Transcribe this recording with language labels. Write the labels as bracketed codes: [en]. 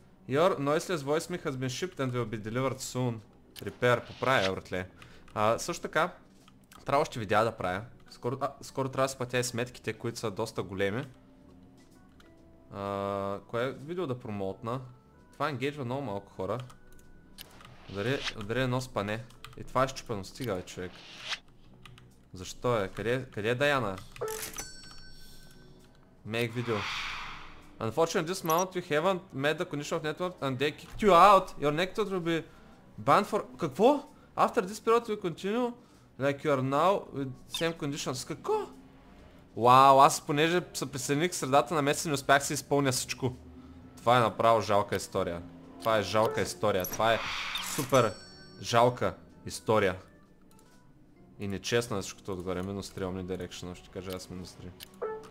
[en] Your noiseless voice has been shipped and will be delivered soon. [bg] Repair, поправя, братле. Също така, трябва още видеа да правя. Скоро трябва да сплатя и сметките, които са доста големи. Кое е видео да промоутна? Това енгейджва много малко хора. Дари едно спане. И това е щупено, стига бе, човек. Защо е? Къде е Даяна? [en] Make video. Unfortunately, this month you haven't met the condition of network and they kicked you out. Your network will be banned for... Какво? After this period you continue like you are now with same conditions. [bg] Какво? Вау, аз понеже съм присъединих средата на месец и не успях си изпълня всичко. Това е направо жалка история. Това е жалка история. Това е супер жалка история. И нечестно е всичкото отгоре. Минус 3 Omni Direction, ще кажа аз минус 3.